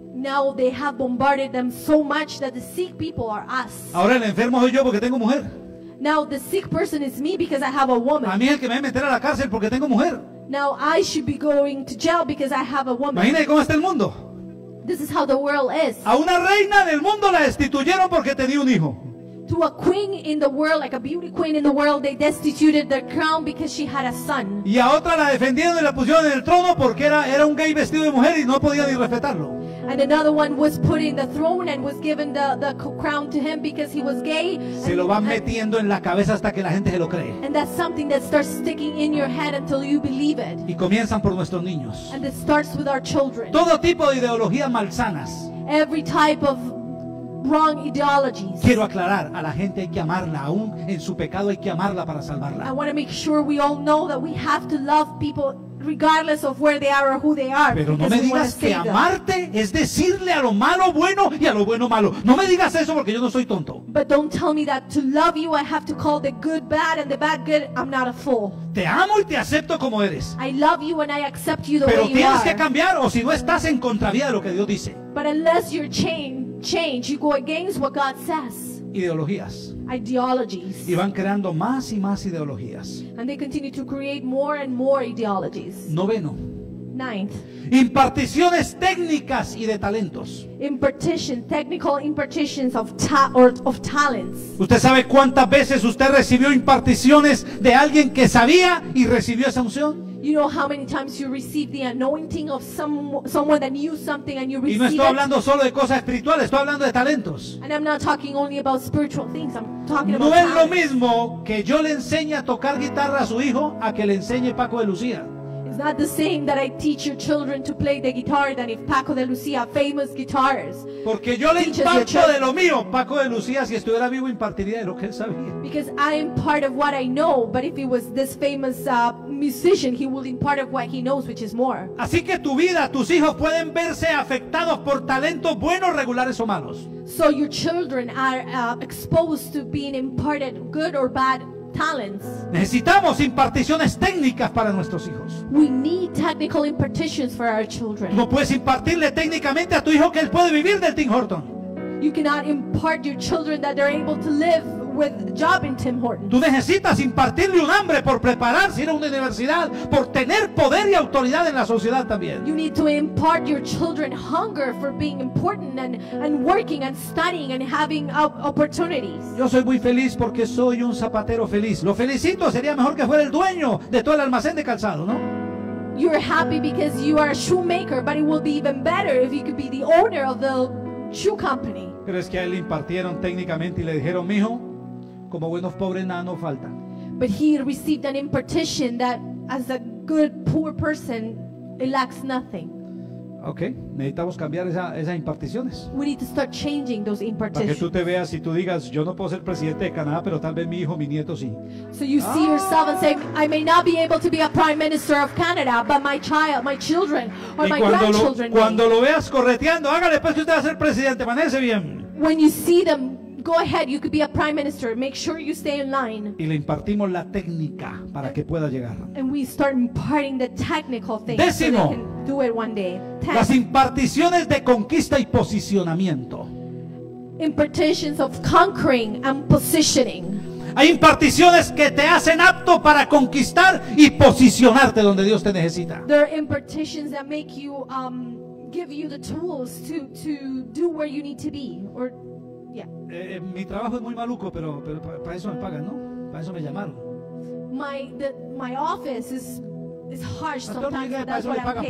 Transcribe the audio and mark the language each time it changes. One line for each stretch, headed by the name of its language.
English: Now they have bombarded them so much that the sick people are us.
Spanish: Ahora el enfermo soy yo porque tengo mujer.
English: Now the sick person is me because I have a woman.
Spanish: A mí el que me va a meter a la cárcel porque tengo mujer.
English: Now I should be going to jail because I have a woman.
Spanish: Imagínate cómo está el mundo.
English: This is how the world is.
Spanish: A una reina del mundo la destituyeron porque tenía un hijo.
English: To a queen in the world, like a beauty queen in the world, they destituted their crown because she had a son.
Spanish: Y a otra la defendieron y la pusieron en el trono porque era un gay vestido de mujer y no podía ni respetarlo.
English: And another one was put in the throne and was given the crown to him because he was gay.
Spanish: Se lo van metiendo en la cabeza hasta que la gente se lo cree.
English: And that's something that starts sticking in your head until you believe it.
Spanish: Y comienzan por nuestros niños.
English: And it starts with our children.
Spanish: Todo tipo de ideologías malsanas.
English: Every type of wrong ideologies.
Spanish: Quiero aclarar, a la gente hay que amarla, aún en su pecado hay que amarla para salvarla.
English: I want to make sure we all know that we have to love people regardless of where they are or who they are.
Spanish: Pero no me digas que amarte es decirle a lo malo bueno y a lo bueno malo. No me digas eso porque yo no soy tonto.
English: But don't tell me that to love you I have to call the good bad and the bad good. I'm not a fool.
Spanish: Te amo y te acepto como eres.
English: I love you and I accept you the
Spanish: pero
English: way you are.
Spanish: Pero tienes que cambiar, o si no estás en contravía de lo que Dios dice.
English: But unless you're change, you go against what God says.
Spanish: Ideologías.
English: Ideologies.
Spanish: Y van creando más y más ideologías.
English: And they continue to create more and more ideologies.
Spanish: Noveno.
English: Ninth.
Spanish: Imparticiones técnicas y de talentos.
English: Impartition, technical impartitions of talents.
Spanish: ¿Usted sabe cuántas veces usted recibió imparticiones de alguien que sabía y recibió esa unción?
English: You know how many times you receive the anointing of someone that knew something and you receive.
Spanish: Y no estoy hablando solo de cosas espirituales, estoy hablando de talentos.
English: And I'm not talking only about spiritual things, I'm talking
Spanish: no
English: about talents.
Spanish: No es lo mismo que yo le enseñe a tocar guitarra a su hijo a que le enseñe Paco de Lucía.
English: It's not the same that I teach your children to play the guitar than if Paco de Lucía, famous guitarist.
Spanish: Porque yo le imparto de lo mío. Paco de Lucía, si estuviera vivo, impartiría de lo que él sabía.
English: Because I impart of what I know, but if he was this famous musician, he would impart of what he knows, which is more.
Spanish: Así que tu vida, tus hijos pueden verse afectados por talentos buenos, regulares o malos.
English: So your children are exposed to being imparted good or bad talents.
Spanish: Necesitamos imparticiones técnicas para nuestros hijos.
English: We need technical impartitions for our children.
Spanish: No puedes impartirle técnicamente a tu hijo que él puede vivir del Tim Horton.
English: You cannot impart your children that they're able to live with a job in Tim Horton.
Spanish: Tú necesitas impartirle un hambre por prepararse ir a una universidad, por tener poder y autoridad en la sociedad también.
English: You need to impart your children hunger for being important and working and studying and having opportunities.
Spanish: Yo soy muy feliz porque soy un zapatero feliz. Lo felicito, sería mejor que fuera el dueño de todo el almacén de calzado, ¿no?
English: You're happy because you are a shoemaker, but it will be even better if you could be the owner of the shoe company.
Spanish: ¿Crees que a él le impartieron técnicamente y le dijeron, mijo, como buenos pobres nada nos falta?
English: But he received an impartition that as a good poor person it lacks nothing.
Spanish: Okay, necesitamos cambiar esas imparticiones.
English: We need to start changing those impartitions.
Spanish: Para que tú te veas y tú digas, yo no puedo ser presidente de Canadá, pero tal vez mi hijo, mi nieto sí.
English: So you see yourself and say, I may not be able to be a prime minister of Canada, but my child, my children, or
Spanish: y
English: my grandchildren.
Spanish: Cuando lo veas correteando, hágale pues que usted va a ser presidente, manéjese bien.
English: When you see them, go ahead, you could be a prime minister. Make sure you stay in line.
Spanish: Y le impartimos la técnica para que pueda llegar.
English: And we start imparting the technical things.
Spanish: Décimo.
English: So they can do it one day. Ten.
Spanish: Las imparticiones de conquista y posicionamiento.
English: Impartitions of conquering and positioning.
Spanish: Hay imparticiones que te hacen apto para conquistar y posicionarte donde Dios te necesita.
English: There are impartitions that make you give you the tools to do where you need to be or. Yeah.
Spanish: Mi trabajo es muy maluco, pero para eso me pagan, ¿no? Para eso me llamaron.
English: My office It's harsh sometimes, but that's what I'm paid.